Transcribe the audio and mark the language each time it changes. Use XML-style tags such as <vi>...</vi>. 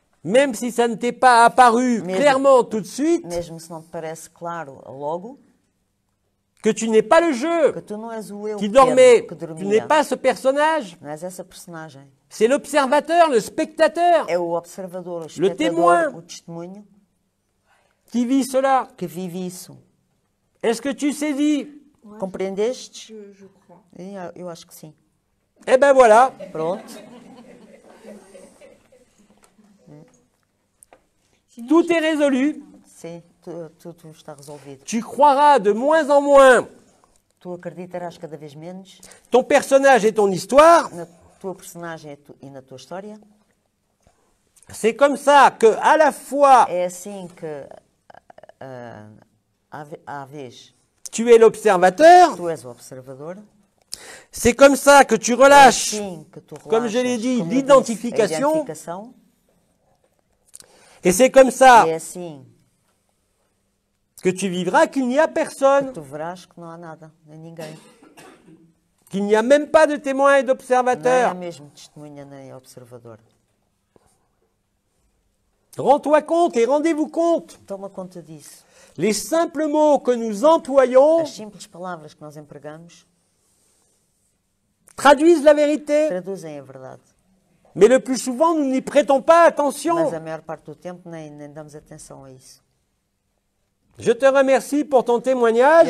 <fr>Même si ça ne t'est pas apparu mesmo, clairement tout de suite.</fr> <pt>Mesmo se não te parece claro logo.</pt> <fr>Que tu n'es pas le jeu,</fr> <pt>que tu não és o eu</pt> <fr>qui dormait,</fr> <pt>que dormia.</pt> <fr>Tu n'es pas ce personnage,</fr> <pt>não és essa personagem.</pt> <fr>C'est l'observateur, le spectateur,</fr> <pt>é o observador, o</pt> <fr>le témoin,</fr> <pt>o testemunho,</pt> <fr>qui vit cela.</fr> <pt>Que vive isso.</pt> <fr>Est-ce que tu sais dire?</fr> <pt>Ouais, compreendeste?</pt> <fr>Je crois.</fr> <pt>Eu acho que sim.</pt> <fr>Eh ben voilà.</fr> <pt>Pronto.</pt> <fr>Tout est résolu.</fr> <pt>Sim. Tu está resolvido.</pt> <fr>Tu croiras de moins en moins.</fr> <pt>Tu acreditarás cada vez menos.</pt> <fr>Ton personnage et ton histoire.</fr> <pt>Na tua personagem e na tua história.</pt> <fr>C'est comme ça que à la fois.</fr> <pt>É assim que à vez.</pt> <fr>Tu es l'observateur.</fr> <pt>Tu és o observador.</pt> <fr>C'est comme ça que tu relâches.</fr> <pt>É assim que tu relaxes,</pt> <fr>comme je l'ai dit, l'identification.</fr> <pt>A identificação.</pt> <fr>Et c'est comme ça.</fr> <pt>É assim.</pt> <fr>Que tu vivras qu'il n'y a personne.</fr> <pt>Que tu verás que não há nada, nem ninguém.</pt> <fr>Qu'il n'y a même pas de témoin et d'observateur.</fr> <pt>Não há mesmo testemunha nem observador.</pt> <fr>Rends-toi compte et rendez-vous compte.</fr> <pt>Toma conta disso.</pt> <fr>Les simples mots que nous employons.</fr> <pt>As simples palavras que nós empregamos.</pt> <fr>Traduisent la vérité.</fr> <pt>Traduzem a verdade.</pt> <fr>Mais le plus souvent, nous n'y prêtons pas attention.</fr> <pt>Mas a maior parte do tempo nem damos atenção a isso.</pt> <fr>Je te remercie pour ton témoignage.</fr>